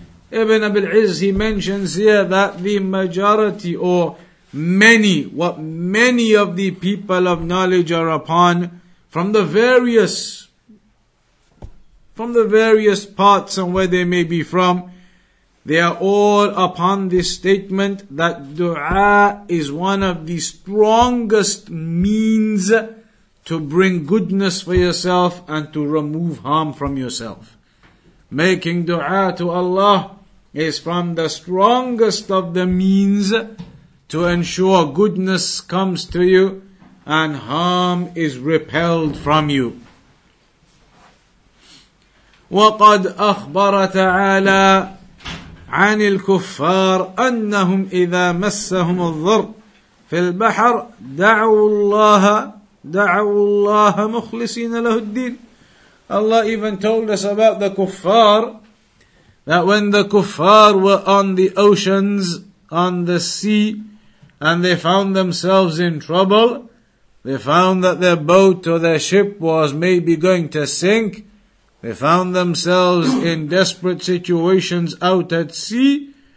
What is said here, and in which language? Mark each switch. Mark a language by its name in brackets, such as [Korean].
[English] Ibn Abil Izz, he mentions here that the majority, or many, what many of the people of knowledge are upon, from the various parts and where they may be from, they are all upon this statement that dua is one of the strongest means to bring goodness for yourself and to remove harm from yourself. Making dua to Allah is from the strongest of the means to ensure goodness comes to you and harm is repelled from you. [Arabic] وَقَدْ أَخْبَرَ تَعَالَى عن الكفار أنهم إذا مسهم الضر في البحر دعوا الله مخلصين له الدين. [English] Allah even told us about the kuffar, that when the kuffar were on the oceans, on the sea, and they found themselves in trouble, they found that their boat or their ship was maybe going to sink, they found themselves in desperate situations out at sea,